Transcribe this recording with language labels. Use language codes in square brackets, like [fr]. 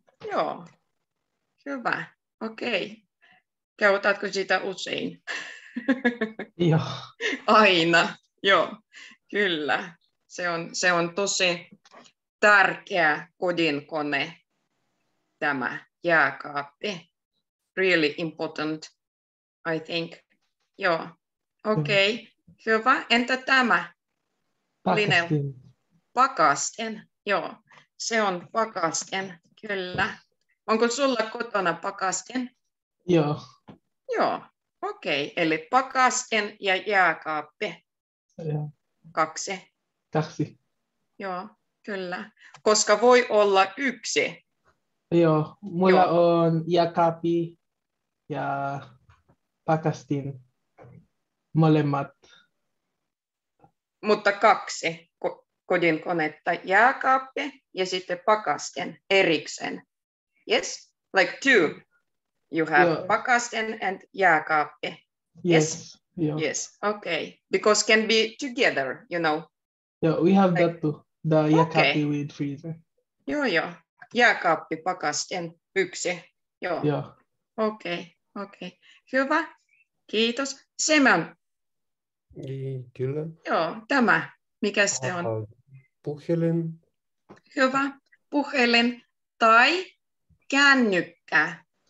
[fi] Joo, Hyvä. Okei. Okay. Käytätkö sitä usein? Joo. Aina. Joo. Kyllä. Se on tosi tärkeä kodinkone, tämä jääkaappi. [en] Really important, I think. [fi] Joo. Okei. Okay. Hyvä. Entä tämä? Pakastin. Pakastin. Joo. Se on pakastin. Kyllä. Onko sulla kotona pakastin? Joo. Joo. Okei. Okay. Eli pakastin ja jääkaappi. Ja. Kaksi. Kaksi. Joo. Kyllä. Koska voi olla yksi. Joo. Mulla Joo. on jääkaappi ja pakastin. Molemmat. Mutta kaksi kodinkonetta, jääkaappi ja sitten pakasten erikseen. [en] Yes, like two. You have Joo. pakasten and jääkaappi. Yes. Yes. Okay. Because can be together, you know. Yeah, we have like, that too. The jääkaappi okay. with freezer. [fi] Joo. Jääkaappi, pakasten, yksi. Joo. Joo. Okay. Hyvä. Kiitos. Semen. Kyllä. Joo, tämä. Mikä se on? Puhelin. Hyvä. Puhelin tai kännykkä.